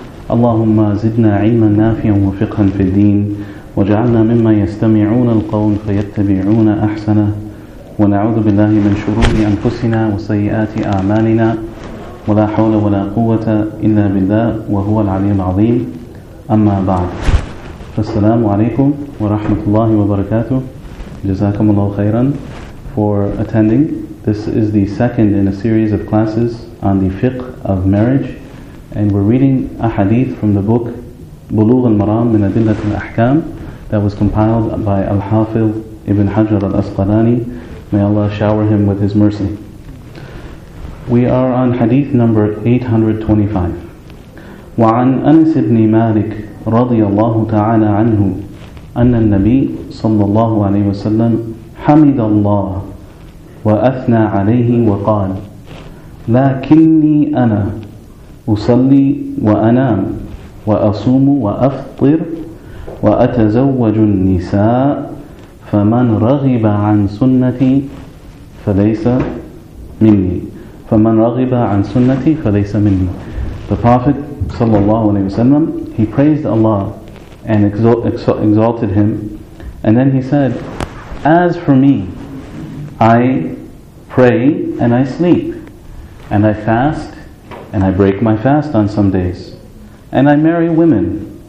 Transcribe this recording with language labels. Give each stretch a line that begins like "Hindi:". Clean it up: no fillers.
Arabic: اللهم زدنا علما نافعا وفقها في الدين، وجعلنا مما يستمعون القول فيتبعون أحسنه، ونعوذ بالله من شرور أنفسنا وسيئات أعمالنا، ولا حول ولا قوة إلا بالله وهو العلي العظيم. أما بعد، السلام عليكم ورحمة الله وبركاته. جزاكم الله خيرا
English: for attending. This is the second in a series of classes on the fiqh of marriage, and we're reading a hadith from the book بلوغ المرام من أدلة الأحكام that was compiled by Al-Hafidh Ibn Hajar Al-Asqalani. May Allah shower him with his mercy. We are on hadith number 825.
Arabic: وعن أنس بن مالك رضي الله تعالى عنه أن النبي صلى الله عليه وسلم حمد الله وأثنى عليه وقال لكني أنا أصلي وأنام وأصوم وأفطر وأتزوج النساء، فمن رغب عن سنتي فليس مني. فمن رغب عن سنتي فليس مني.
English: The Prophet صلى الله عليه وسلم, he praised Allah and exalted him, and then he said, as for me, I pray and I sleep, and I fast and I break my fast on some days, and I marry women.